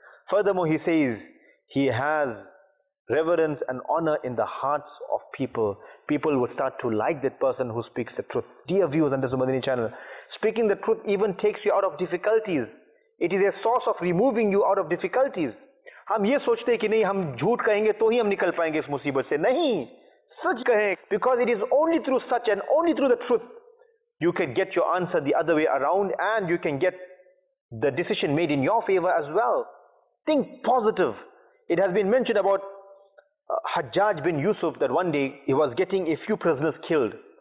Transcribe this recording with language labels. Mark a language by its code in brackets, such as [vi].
[en] Furthermore, he says he has reverence and honor in the hearts of people. People will start to like that person who speaks the truth. Dear viewers on the Madani channel, speaking the truth even takes you out of difficulties. It is a source of removing you out of difficulties. [ur] ہم یہ سوچتے ہیں کہ نہیں ہم جھوٹ کہیں گے تو ہی ہم نکل پائیں گے اس مصیبت سے. نہیں, سچ کہیں. [en] Because it is only through such and only through the truth you can get your answer the other way around, and you can get the decision made in your favor as well. Think positive. It has been mentioned about Hajjaj bin Yusuf that one day he was getting a few prisoners killed.